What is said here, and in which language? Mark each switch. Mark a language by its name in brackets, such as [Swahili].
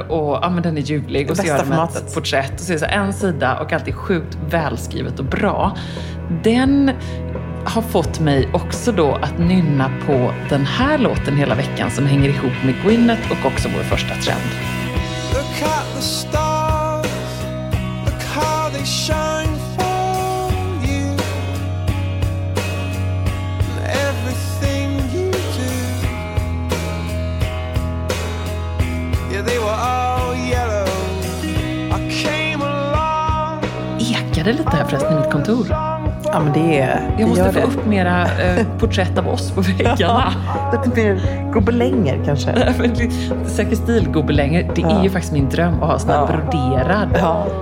[Swedish] Och ja, men den är ljuvlig. Och så gör de ett porträtt. Och så är det så en sida och alltid sjukt välskrivet och bra. Den har fått mig också då att nynna på den här låten hela veckan som hänger ihop med Gwyneth och också vår första trend. [English] Look at the stars. Look how they shine for you. Everything you do. Yeah, they were all yellow. I came along. [Swedish] Ekade lite här förresten i mitt kontor. Ja, men det är, jag måste få det. Upp mera porträtt av oss på väggarna. Det blir gobelänger kanske. Säkert stilgobelänger. Det är ju faktiskt min dröm att ha sådana broderad. Ja,